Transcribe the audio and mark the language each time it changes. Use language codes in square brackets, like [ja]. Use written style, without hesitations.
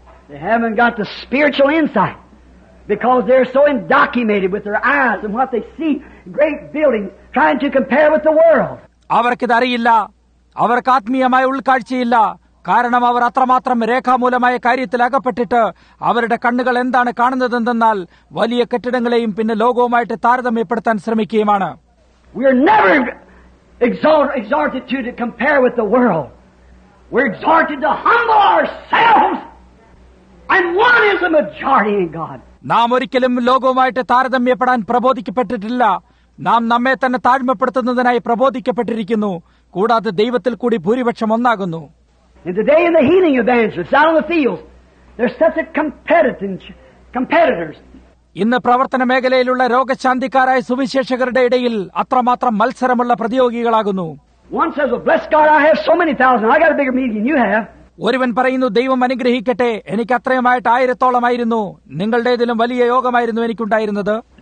[en] They haven't got the spiritual insight because they're so indoctrinated with their eyes and what they see, great buildings, trying to compare with the world. [ml] അവർക്കറിയില്ല. അവർക്ക് ആത്മീയമായ ഉൾക്കാഴ്ചയില്ല. കാരണം അവർ അത്രമാത്രം രേഖാമൂലമായ കാര്യത്തിൽ അകപ്പെട്ടിട്ട് അവരുടെ കണ്ണുകൾ എന്താണ് കാണുന്നതെന്നാൽ വലിയ കെട്ടിടങ്ങളെയും പിന്നെ ലോകവുമായിട്ട് താരതമ്യപ്പെടുത്താൻ ശ്രമിക്കുകയുമാണ്. [en] We're never exalted to compare with the world. We're exalted to humble ourselves. And one is a majority in God. [ml] നാം ഒരിക്കലും ലോകവുമായിട്ട് താരതമ്യപ്പെടാൻ പ്രബോധിക്കപ്പെട്ടിട്ടില്ല. നാം നമ്മെ തന്നെ താഴ്മപ്പെടുത്തുന്നതിനായി പ്രബോധിക്കപ്പെട്ടിരിക്കുന്നു. കൂടാതെ ദൈവത്തിൽ കൂടി ഭൂരിപക്ഷം ഒന്നാകുന്നു. [en] In the day of the healing evangelists, out on the fields, there's such a competitors. [ml] ഇന്ന് പ്രവർത്തന മേഖലയിലുള്ള രോഗശാന്തിക്കാരായ സുവിശേഷകരുടെ ഇടയിൽ അത്രമാത്രം മത്സരമുള്ള പ്രതിയോഗികളാകുന്നു. [en] One says, well, bless God, I have so many thousands. I got a bigger meeting than you have. [ml] ഒരുവൻ പറയുന്നു, ദൈവം അനുഗ്രഹിക്കട്ടെ, എനിക്ക് അത്രയുമായിട്ട് ആയിരത്തോളമായിരുന്നു. നിങ്ങളുടേതിലും വലിയ യോഗമായിരുന്നു എനിക്കുണ്ടായിരുന്നത്.